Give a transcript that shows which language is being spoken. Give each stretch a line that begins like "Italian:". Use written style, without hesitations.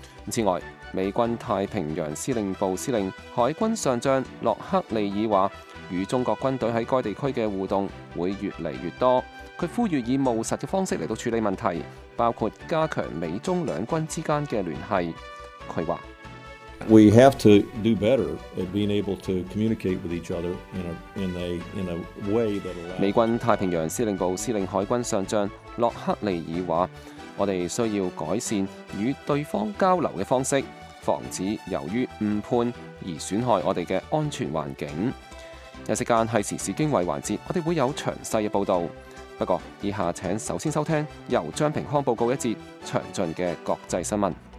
Chinese: 此外，美军太平洋司令部司令海军上将洛克利尔说，与中国军队在该地区的互动会越来越多，他呼吁以务实的方式来处理问题，包括加强美中两军之间的联系。他说，
English: We have to do better at being able to communicate with each other in a way that allows.
Chinese: 美军太平洋司令部司令海军上将洛克利尔说，我们需要改善与对方交流的方式，防止由于误判而损害我们的安全环境。一时间是时事经纬环节，我们会有详细的报道。不过，以下请首先收听由张平康报告一节详尽的国际新闻。